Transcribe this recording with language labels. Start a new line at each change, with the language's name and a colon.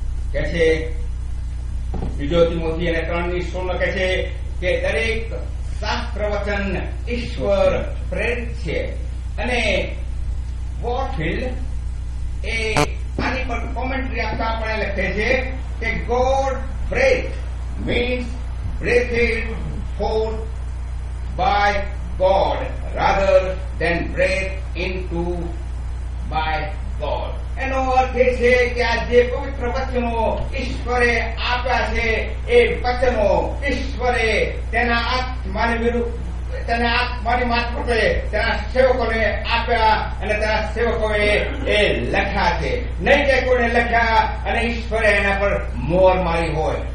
Gujarati: કહે છે બીજો તિમોથી અને 3:16 કહે છે કે દરેક શાસ્ત્ર વચન ઈશ્વર પ્રેરિત છે. અને વોટફિલ્ડ એ આની પર કોમેન્ટરી આપતા આપણે લખે છે કે
English: God breath means breathed forth by God rather than breathed into by God.
Gujarati: એનો અર્થ એ છે કે આ જે પવિત્ર વચનો ઈશ્વરે આપ્યા છે એ વચનો ઈશ્વરે તેના આત્માને વિરુદ્ધ તેને આત્માની મારફતે તેના સેવકોને આપ્યા અને તેના સેવકોએ એ લખ્યા છે, નહીં કે કોને લખ્યા અને ઈશ્વરે એના પર મોહર મારી હોય.